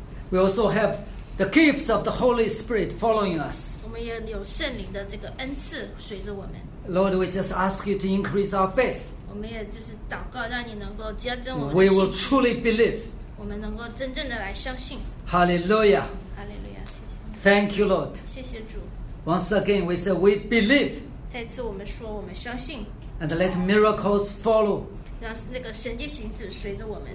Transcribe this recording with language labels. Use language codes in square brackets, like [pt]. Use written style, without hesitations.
[en] We also have the gifts of the Holy Spirit following us. [zh] 我们也有圣灵的这个恩赐随着我们。 [en] Lord, we just ask you to increase our faith. [zh] 我们也就是祷告，让你能够加增我们的信心。 [en] We will truly believe. [zh] 我们能够真正的来相信。 [en] Hallelujah. [zh] Hallelujah. 谢谢。 [en] Thank you, Lord. [zh] 谢谢主。 [en] Once again, we say we believe. [zh] 再次我们说我们相信。 [en] And let miracles follow. [zh] 让那个神迹行事随着我们。